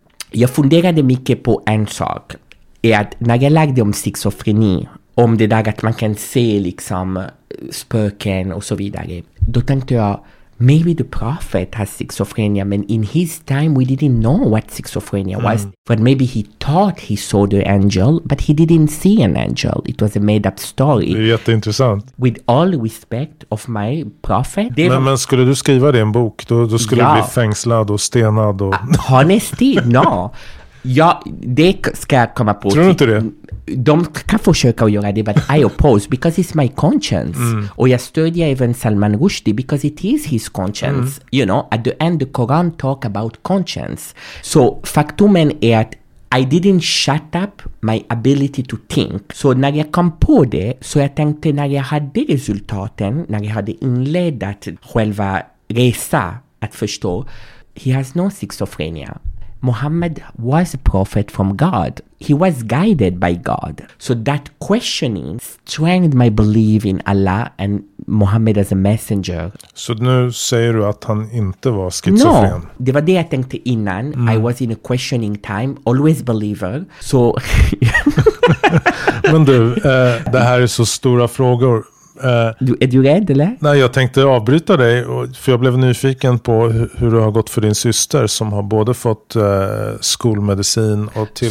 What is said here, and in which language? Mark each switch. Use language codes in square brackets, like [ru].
[sv] Jag funderade mycket på en sak, är att när jag lagde om schizofreni, om det där att man kan se liksom spöken och så vidare, då tänkte jag, [en] maybe the prophet has schizophrenia, [sv] men [en] in his time we didn't know what schizophrenia was. But maybe he thought he saw the angel, but he didn't see an angel. It was a made-up story. [sv] Det är jätteintressant. [en] With all respect of my prophet. [sv] Men skulle du skriva det i en bok, då skulle du bli fängslad och stenad. Och... [en] honesty? No. [sv] Ja, det ska jag komma på. Tror du inte det? De kan försöka göra det, [en] but I oppose because it's my conscience. Mm. [sv] Och jag stödjer även [en] Salman Rushdie because it is his conscience. Mm. You know, at the end the Quran talk about conscience. So, [sv] faktumen är att [en] I didn't shut up my ability to think. [sv] Så när jag kom på det, så jag tänkte när jag hade resultaten, när jag hade inledat själva resa att förstå, [en] he has no schizophrenia. Muhammad was a prophet from God. He was guided by God. So that questioning strengthened my belief in Allah and Muhammad as a messenger. [sv] Så nu säger du att han inte var schizofren? No, det var det jag tänkte innan. [en] Mm. I was in a questioning time, always believer. So... [sv] Men du, det här är så stora frågor. Är du rädd eller? Nej, jag tänkte avbryta dig för jag blev nyfiken på hur det har gått för din syster som har både fått skolmedicin och tillgång till...